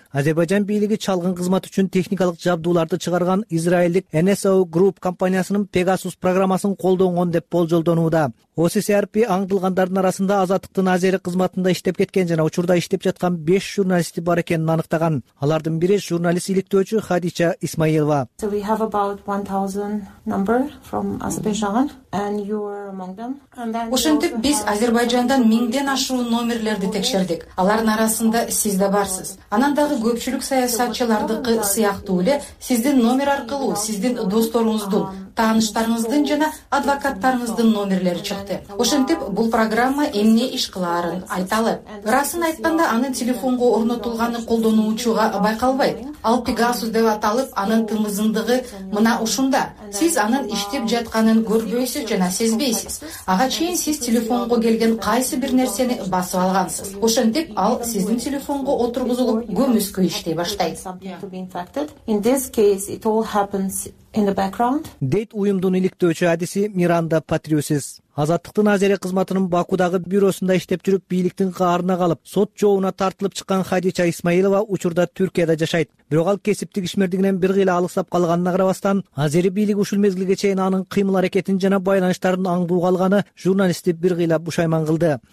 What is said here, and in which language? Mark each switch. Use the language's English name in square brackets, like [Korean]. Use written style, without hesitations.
[Kyrgyz] Азербайжан бийлиги чалгын кызмат үчүн техникалык жабдууларды чыгарган израилдик NSO Group компаниясынын Pegasus программасын колдонгон деп болжолдонууда. OSCRP аңдылгандардын арасында азаттыктын азери кызматында иштеп кеткен жана учурда иштеп жаткан 5 журналисти бар экенин аныктаган. Алардын бири журналист иликтөөчү Хадича Исмаилова. [English] So we have about 1000 number from Azerbaijan and you are among them. [Kyrgyz] Ошентип биз Азербайжандан миңден ашуун номерлерди текшердик. Алардын арасында сиз да барсыз. Анан дагы көпчүлүк саясатчылардыкы сыяктуу эле сиздин номер аркылуу сиздин досторуңуздун, тааныштарыңыздын жана адвокаттарыңыздын номерлери чыкты. Ошентип бул программа эмне иш кылаарын айталы. Расын айтканда анын телефонго орнотулганы колдонуучуга байкалбайт. Ал Pegasus деп аталып, анын тымызындыгы мына ушунда. Сиз анын иштеп жатканын көрбөйсүз жана сезбейсиз. Ага чейин сиз телефонго келген кайсы бир нерсени басып алгансыз. Ошентип ал сиздин телефонго отургузулуп, көмүскө иштей баштайт. [English] In this case it all happens in the background. [Kyrgyz] Дейт уюмдун иликтөөчү адиси Миранда Патриусис. Азаттыктын азери кызматынын Бакудагы бюросунда иштеп жүрүп, бийликтин каарына калып, сот жообуна тартылып чыккан Хадича Исмаилова учурда Түркияда жашайт. Бирок ал кесиптик ишмердигинен бир кыйла алыксап калганына карабастан, азери бийлиги ушул мезгилге чейин анын кыймыл аракетин жана байланыштарын аңдуу калганы журналисти бир кыйла бушайман кылды.